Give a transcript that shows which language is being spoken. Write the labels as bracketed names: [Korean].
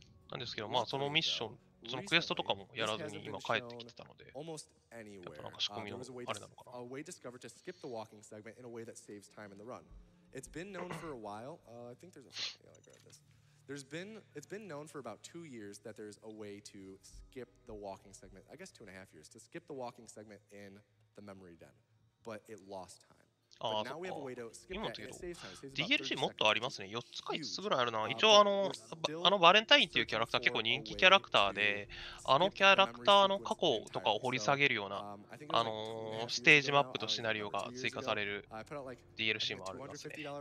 [Japanese] なんですけど、まあ、そのミッション、そのクエストとかもやらずに今帰ってきてたので、やっぱなんか仕込みのあれなのかな。 [English] way discovered to skip the walking segment in a way that saves time in the run. It's been known for a while. I think there's a failure of this. It's been known for about 2 years that there's a way to skip the walking segment. I guess 2.5 years to skip the walking segment in the memory den, but it lost time. [Japanese] ああ、そっか。今のところ、DLC もっとありますね。4つか5つぐらいあるな。一応、バレンタインっていうキャラクター、結構人気キャラクターで、あのキャラクターの過去とかを掘り下げるような、ステージマップとシナリオが追加される DLC もあるんですね。